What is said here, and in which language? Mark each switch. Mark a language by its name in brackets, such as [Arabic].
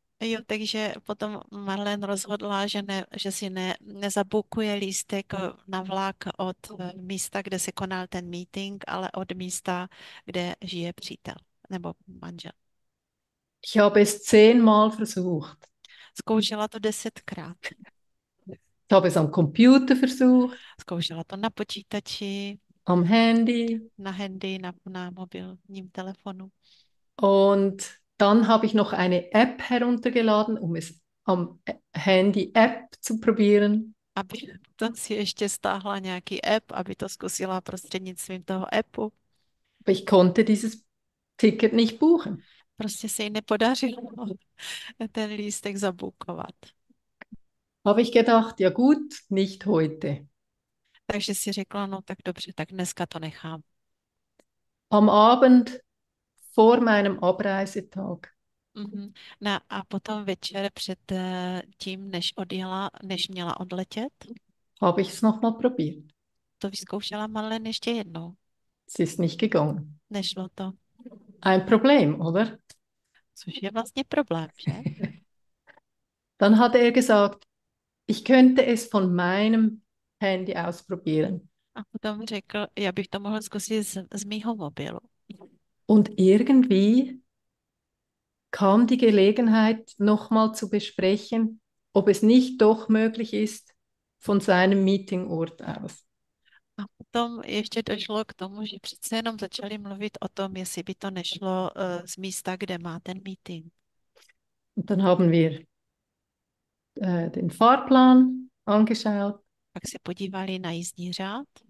[Czech] Jo, takže potom Marlene rozhodla, že, ne, že si nezabukuje lístek na vlak od místa, kde se konal ten meeting, ale od místa, kde žije přítel nebo manžel. [German] Ich habe es 10-mal versucht. [Czech] Zkoušela to 10krát. [German] Ich habe es am Computer versucht. [Czech] Zkoušela to na počítači, [German] Am Handy. [Czech] na handy, na mobilním telefonu. [German] Und dann habe ich noch eine App heruntergeladen, um es am Handy-App zu probieren. [Czech] Aby to si ještě stáhla nějaký app, aby to zkusila prostřednictvím toho appu. [German] Aber ich konnte dieses Ticket nicht buchen. [Czech] Prostě se jí nepodařilo ten lístek zabukovat. [German] Habe ich gedacht, ja gut, nicht heute. [Czech] Takže si řekla, no tak dobře, tak dneska to nechám. [German] Am Abend vor meinem Abreisetag. [Czech] Na, a potom večer před tím, než odjela, než měla odletět, [German] Habe ich es nochmal probiert? [Czech] to vyzkoušela Marlene ještě jednou. [German] Es ist nicht gegangen. [Czech] Nešlo to. [German] Ein Problem, oder? [Czech] Což je vlastně problém, že? [German] Dann hat er gesagt, ich könnte es von meinem Handy aus probieren. [Czech] A potom řekl, já bych to mohl zkusit z mýho mobilu. [German] Und irgendwie kam die Gelegenheit, nochmal zu besprechen, ob es nicht doch möglich ist, von seinem Meetingort aus. [Czech] Potom ještě došlo k tomu, že přece jenom začali mluvit o tom, jestli by to nešlo z místa, kde má ten meeting. [German] Und dann haben wir den Fahrplan angeschaut [Czech] Pak se podívali na jízdní řád